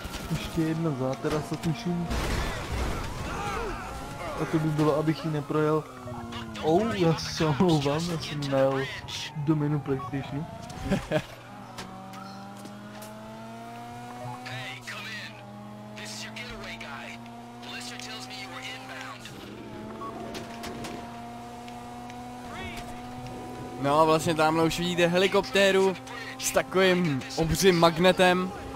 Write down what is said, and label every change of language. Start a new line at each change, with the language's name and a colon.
Czech: Ještě jedna zátarasa tuším. A to by bylo, abych ji neprojel. Já se omlouvám, já jsem najel domenu PlayStation.
English: Hey, come in. This is your getaway guy. Blister tells me you were inbound.
Czech: No a vlastně tamhle už vidíte helikoptéru s takovým obřím magnetem.